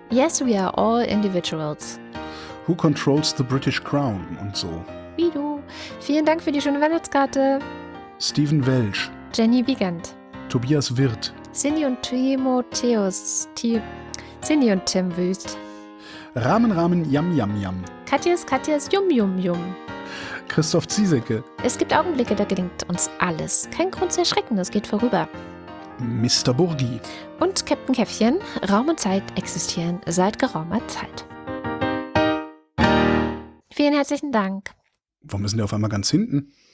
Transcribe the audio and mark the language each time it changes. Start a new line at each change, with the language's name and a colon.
English: Yes, we are all individuals. Who controls the British Crown
German: und so. Wie du. Vielen Dank für die schöne Weihnachtskarte. Steven Welsch. Jenny Wiegand. Tobias Wirth. Cindy und Timotheus. Cindy und Tim Wüst. Ramen, Ramen, Yam, Yam, Yam. Katjes, Katjes, Yum, Yum, Yum. Christoph Ziesecke. Es gibt Augenblicke, da gelingt uns alles. Kein Grund zu erschrecken, das geht vorüber. Mr. Burgi. Und Captain Käffchen. Raum und Zeit existieren seit geraumer Zeit. Vielen herzlichen Dank. Warum ist denn der auf einmal ganz hinten?